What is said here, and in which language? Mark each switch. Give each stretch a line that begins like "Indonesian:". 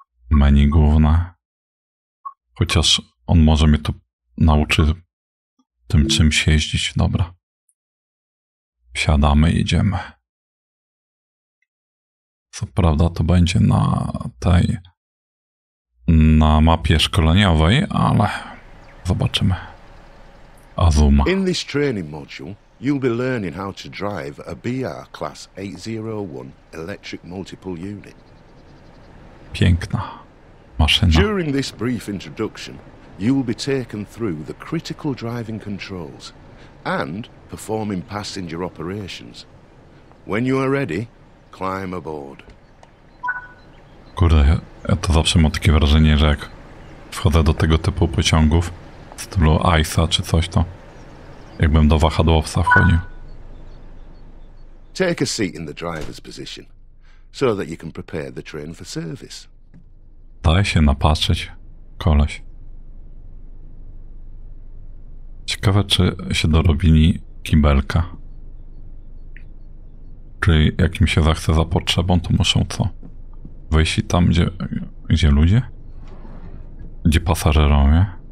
Polish: Menu główne. Chociaż on może mnie tu nauczy tym czymś jeździć. Dobra. Wsiadamy, jedziemy. Co prawda to będzie na tej na mapie szkoleniowej, ale zobaczymy. Azuma.
English: In this training module you'll be learning how to drive a BR class 801 electric multiple unit.
Polish: Piękna. Maszyna.
English: During this brief introduction, you will be taken through the critical driving controls and performing passenger operations. When you are ready, climb aboard.
Polish: Kurde, ja to zawsze mam takie wrażenie, że jak wchodzę do tego typu pociągów, w stylu ISA czy coś, to jakbym do wahadłowca wchodził.
English: Take a seat in the driver's position, so that you can prepare the train for service.
Polish: Daj się napatrzeć, koleś. Ciekawe, czy się dorobili kibelka. Czy jak im się zachce za potrzebą, to muszą co? Wejść tam, gdzie ludzie? gdzie pasażerowie.